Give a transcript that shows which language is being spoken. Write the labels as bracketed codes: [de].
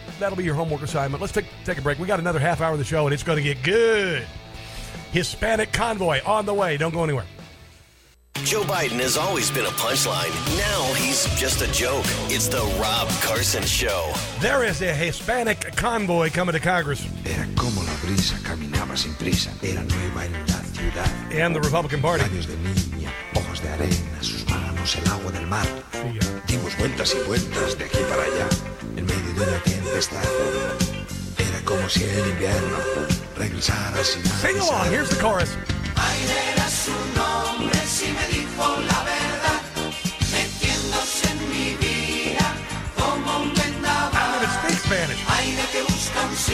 [en] That'll be your homework assignment. Let's take a break. We got another half hour of the show, and it's going to get good. Hispanic convoy on the way. Don't go anywhere. Joe Biden has always been a punchline. Now he's just a joke. It's the Rob Carson Show. There is a Hispanic convoy coming to Congress. [es] Era como la brisa, caminaba sin prisa. Era nueva en la ciudad. [en] And the Republican Party. [es] Años de niña, ojos de arena, sus manos el agua del mar. Dimos vueltas y vueltas de aquí para allá. En medio de una tempestad. Era como si el invierno... [en] Sing along, here's the chorus. I'm gonna speak Spanish.